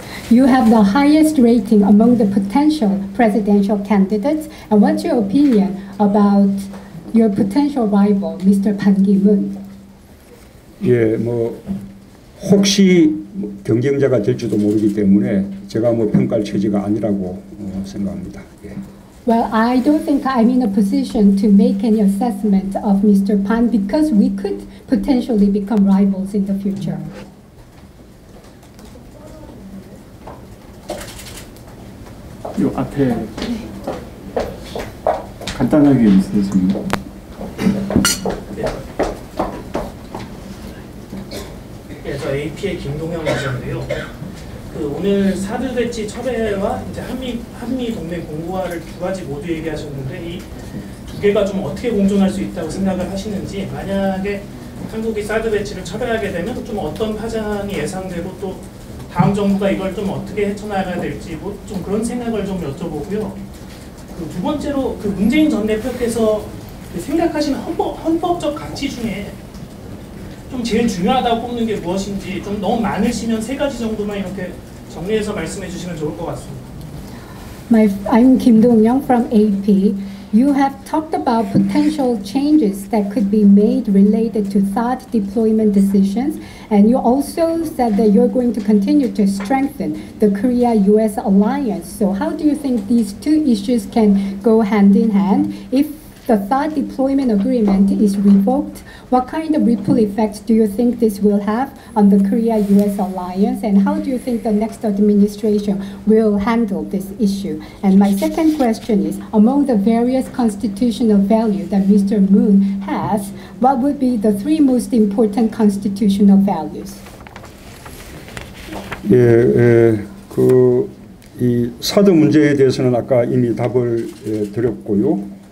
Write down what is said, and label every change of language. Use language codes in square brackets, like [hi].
[en] You have the highest rating among the potential presidential candidates. And what's your opinion about your potential rival, Mr. Ban Ki-moon? [ko] 예, 뭐 혹시 경쟁자가 될지도 모르기 때문에 제가 뭐 평가할 처지가 아니라고 생각합니다. 예. [en] Well, I don't think I'm in a position to make any assessment of Mr. Pan because we could potentially become rivals in the future. [ko] 요 앞에 간단하게 있으십니까? 저 AP의 김동현 기자인데요. 그 오늘 사드 배치 철회와 이제 한미 동맹 공고화를 두 가지 모두 얘기하셨는데 이 두 개가 좀 어떻게 공존할 수 있다고 생각을 하시는지 만약에 한국이 사드 배치를 철회하게 되면 좀 어떤 파장이 예상되고 또 다음 정부가 이걸 좀 어떻게 헤쳐나가야 될지 뭐 좀 그런 생각을 좀 여쭤보고요. 그 두 번째로 그 문재인 전 대표께서 생각하시는 헌법적 가치 중에 좀 제일 중요하다고 꼽는 게 무엇인지 좀 너무 많으시면 세 가지 정도만 이렇게 정리해서 말씀해 주시면 좋을 것 같습니다. [en] I'm Kim Dong-young from AP. You have talked about potential changes that could be made related to THAAD deployment decisions. And you also said that you're going to continue to strengthen the Korea-US alliance. So how do you think these two issues can go hand in hand? If the THAAD deployment agreement is revoked, what kind of ripple effects do you think this will have on the Korea-US alliance? And how do you think the next administration will handle this issue? And my second question is, among the various constitutional values that Mr. Moon has, what would be the three most important constitutional values? [ko] 예, 그 이 사드 문제에 대해서는 아까 이미 답을 드렸고요.